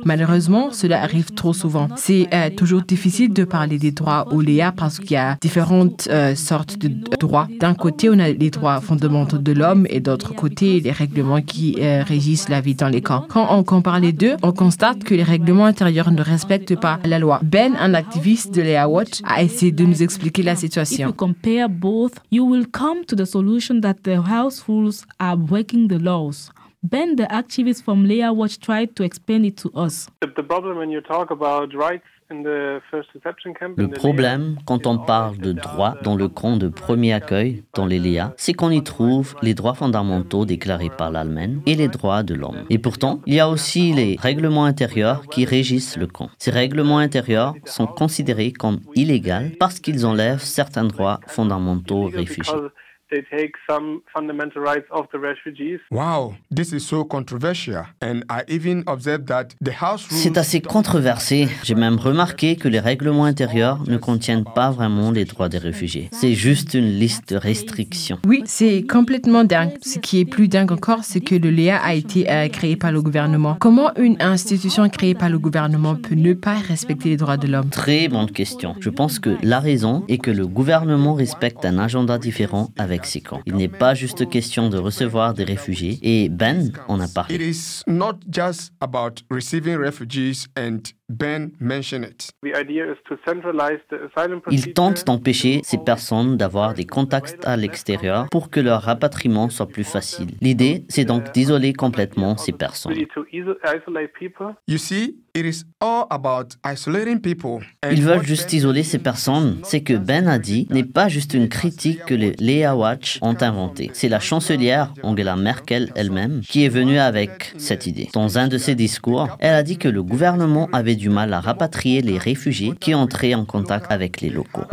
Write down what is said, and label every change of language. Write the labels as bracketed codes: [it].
[fr] Malheureusement, cela arrive trop souvent. C'est toujours difficile de parler des droits aux Leah parce qu'il y a différentes sortes de droits. D'un côté, on a les droits fondamentaux de l'homme et d'autre côté, les règlements qui régissent la vie dans les camps. Quand on compare les deux, on constate que les règlements intérieur ne respecte pas la loi. Ben, un activiste de Leah Watch, a essayé de nous expliquer la situation. [en] If you compare both, you will come to the solution that the house rules are breaking the laws. Ben, the activist from Leah Watch, tried to explain it to us. The problem when you talk about rights. [fr] Le problème, quand on parle de droits dans le camp de premier accueil, dans les Leah, c'est qu'on y trouve les droits fondamentaux déclarés par l'Allemagne et les droits de l'homme. Et pourtant, il y a aussi les règlements intérieurs qui régissent le camp. Ces règlements intérieurs sont considérés comme illégaux parce qu'ils enlèvent certains droits fondamentaux aux réfugiés. [en] They take some fundamental rights of the refugees. Wow, this is so controversial. And I even observed that the house rules. [fr] C'est assez controversé. J'ai même remarqué que les règlements intérieurs ne contiennent pas vraiment les droits des réfugiés. C'est juste une liste de restrictions. Oui, c'est complètement dingue. Ce qui est plus dingue encore, c'est que le Leah a été créé par le gouvernement. Comment une institution créée par le gouvernement peut ne pas respecter les droits de l'homme? Très bonne question. Je pense que la raison est que le gouvernement respecte un agenda différent avec ces camps. Il n'est pas juste question de recevoir des réfugiés et Ben en a parlé. [en] It is not just about receiving refugees and Ben mentioned it. The idea is to centralize the asylum procedure. [fr] Il tente d'empêcher ces personnes d'avoir des contacts à l'extérieur pour que leur rapatriement soit plus facile. L'idée, c'est donc d'isoler complètement ces personnes. [en] You see, it is all about isolating people. [fr] Ils veulent juste isoler ces personnes. Ce que Ben a dit n'est pas juste une critique que les Leah Watch ont inventée. C'est la chancelière Angela Merkel elle-même qui est venue avec cette idée. Dans un de ses discours, elle a dit que le gouvernement avait du mal à rapatrier les réfugiés qui entraient en contact avec les locaux.